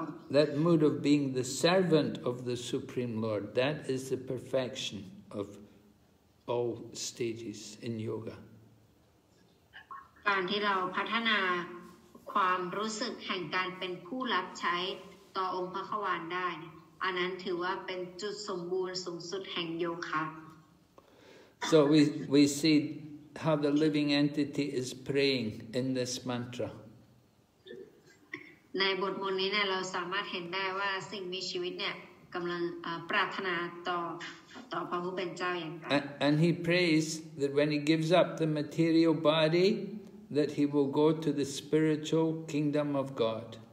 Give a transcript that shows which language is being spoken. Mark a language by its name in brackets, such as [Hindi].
[English] That mood of being the servant of the Supreme Lord, that is the perfection of all stages in yoga. [Thai] การที่เราพัฒนาความรู้สึกแห่งการเป็นผู้รับใช้ต่อองค์พระควานได้อันนั้นถือว่าเป็นจุดสมบูรณ์สูงสุดแห่งโยคะ [English] So we see how the living entity is praying in this mantra. [Thai] ในบทมนต์นี้เนี่ยเราสามารถเห็นได้ว่าสิ่งมีชีวิตเนี่ยกำลังปรารถนาต่อพระผู้เป็นเจ้าอย่างไร [English] And he prays that when he gives up the material bodyThat he will go to the spiritual kingdom of God.